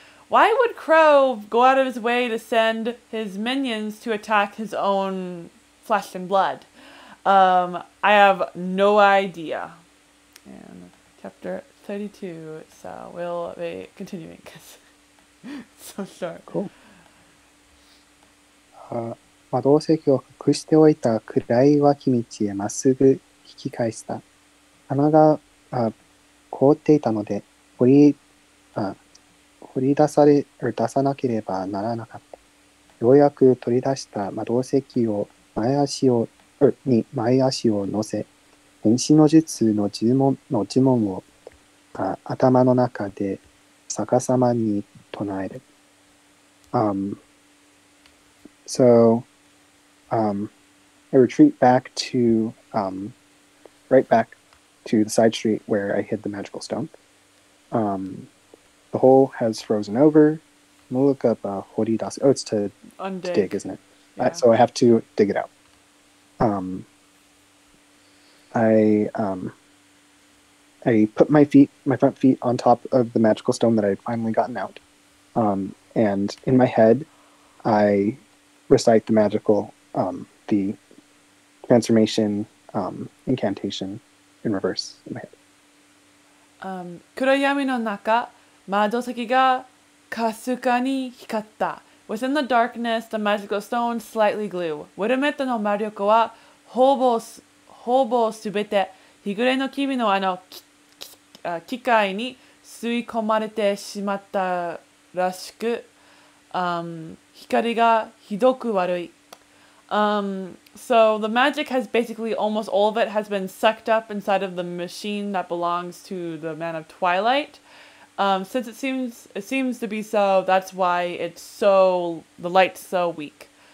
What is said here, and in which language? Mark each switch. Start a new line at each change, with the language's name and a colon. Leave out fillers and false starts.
English: Why would Crow go out of his way to send his minions to attack his own flesh and blood? I have no idea. And chapter 32, so we'll be continuing because it's so short. Cool.
Japanese: 魔導石を隠しておいた暗い脇道へまっすぐ引き返した。穴が凍っていたので掘り出されなければならなかった。ようやく取り出した窓石を前足を、に前足を乗せ、変身の術の呪文、の呪文を頭の中で逆さまに唱える。
English: So, I retreat back to, right back to the side street where I hid the magical stone. The hole has frozen over. I'm gonna look up, 掘り出す. Oh, it's to dig, isn't it? Yeah. So I have to dig it out. I put my feet, my front feet on top of the magical stone that I had finally gotten out. And in my head, I recite the magical, the transformation, incantation in reverse in my head.
Japanese: 暗闇の中、窓石がかすかに光った。
English: Within the darkness, the magical stone slightly glowed.
Japanese: ウェルメットの魔力は、ほぼすべて、日暮れの君のあの機械に吸い込まれてしまったらしく、光がひどく悪い。
English: So the magic has basically almost all of it has been sucked up inside of the machine that belongs to the man of twilight. Since it seems to be so, that's why it's so, the light's so weak.